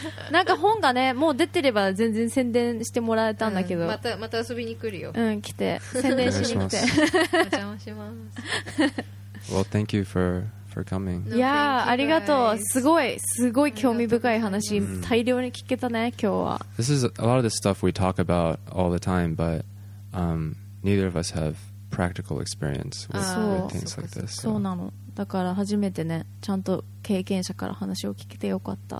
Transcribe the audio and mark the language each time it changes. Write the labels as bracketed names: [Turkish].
[Japanese] なんか本がね、もう出てれば全然宣伝してもらえたんだけど。うん、また遊びに来るよ。うん、来て宣伝しに来て。お邪魔します。 [English] Well, thank you for coming. [Japanese] いや、ありがとう。すごいすごい興味深い話大量に聞けたね、今日は。 [English] This is a lot of the stuff we talk about all the time, but neither of us have practical experience with things like this. [Japanese] そうなの。だから初めてね、ちゃんと経験者から話を聞けてよかった。